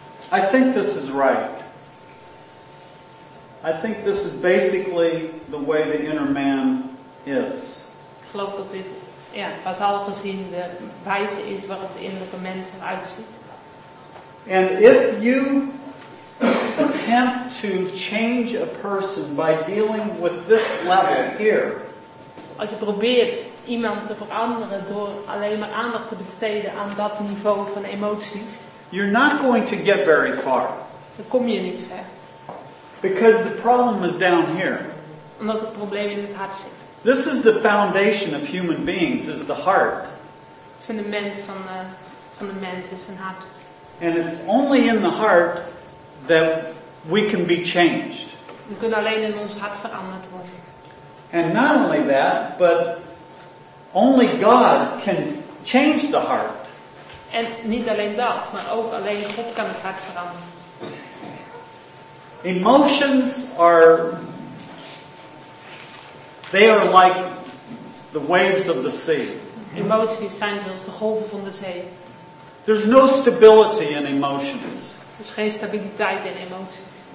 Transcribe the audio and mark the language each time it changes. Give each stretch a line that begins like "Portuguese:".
English: I think this is right. I think this is basically the way the inner man is.
Dutch: geloof dat dit, ja, basaal gezien de wijze is waarop de innerlijke mens eruit ziet.
English: And if you attempt to change a person by dealing with this level here,
Dutch: als je probeert iemand te veranderen door alleen maar aandacht te besteden aan dat niveau van emoties,
English: you're not going to get very far.
Dutch: Dan kom je niet ver.
English: Because the problem is down here.
Dutch: Omdat het probleem in het hart zit.
English: This is the foundation of human beings, is the heart.
Dutch: Het fundament van de mens is een hart.
English: And it's only in the heart that we can be changed.
Dutch: We kunnen alleen in ons hart veranderd worden.
English: And not only that, but only God can change the heart.
Dutch: En niet alleen dat, maar ook alleen God kan het hart veranderen.
English: Emotions are, they are like the waves of the sea.
Dutch: Emoties zijn zoals de golven van de zee.
English: There's no stability in emotions.
Dutch: Er is geen stabiliteit in emoties.